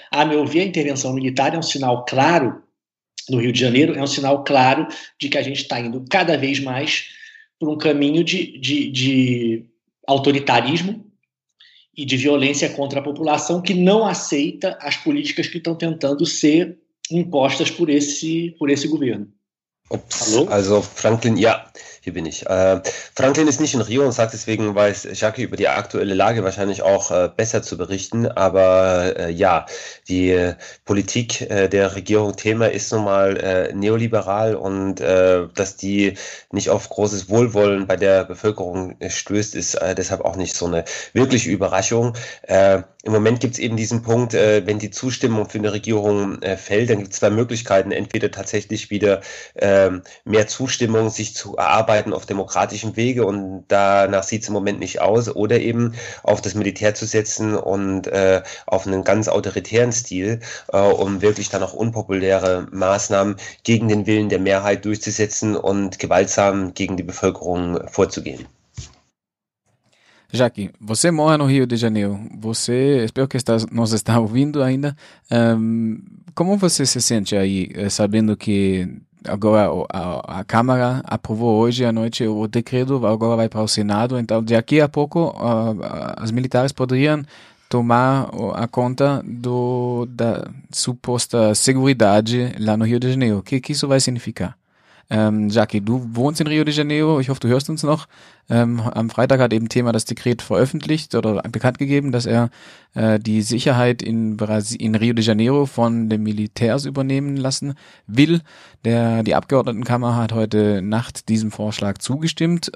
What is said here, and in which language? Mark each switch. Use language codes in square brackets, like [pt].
[pt] A meu ver, a intervenção militar é um sinal claro no Rio de Janeiro, é um sinal claro de que a gente está indo cada vez mais para um caminho de autoritarismo e de violência contra a população que não aceita as políticas que estão tentando ser impostas por esse governo. [de] Ups, hallo? Also Franklin, ja, hier bin ich. Franklin ist nicht in Rio und sagt, deswegen weiß Jacques über die aktuelle Lage wahrscheinlich auch besser zu berichten. Aber ja, die Politik der Regierung Temer ist nun mal neoliberal und dass die nicht auf großes Wohlwollen bei der Bevölkerung stößt, ist deshalb auch nicht so eine wirkliche Überraschung. Im Moment gibt es eben diesen Punkt, wenn die Zustimmung für eine Regierung fällt, dann gibt es zwei Möglichkeiten. Entweder tatsächlich wieder mehr Zustimmung, sich zu erarbeiten auf demokratischem Wege und danach sieht es im Moment nicht aus, oder eben auf das Militär zu setzen und auf einen ganz autoritären Stil, um wirklich dann auch unpopuläre Maßnahmen gegen den Willen der Mehrheit durchzusetzen und gewaltsam gegen die Bevölkerung vorzugehen. [pt] Jacques, você mora no Rio de Janeiro, você, espero que nos está ouvindo ainda, como você se sente aí, sabendo que agora a Câmara aprovou hoje à noite o decreto, agora vai para o Senado, então daqui a pouco as militares poderiam tomar a conta da suposta segurança lá no Rio de Janeiro, o que isso vai significar? [de] Jacques, du wohnst in Rio de Janeiro, ich hoffe, du hörst uns noch. Am Freitag hat eben Temer das Dekret veröffentlicht oder bekannt gegeben, dass er die Sicherheit in Rio de Janeiro von den Militärs übernehmen lassen will. Die Abgeordnetenkammer hat heute Nacht diesem Vorschlag zugestimmt.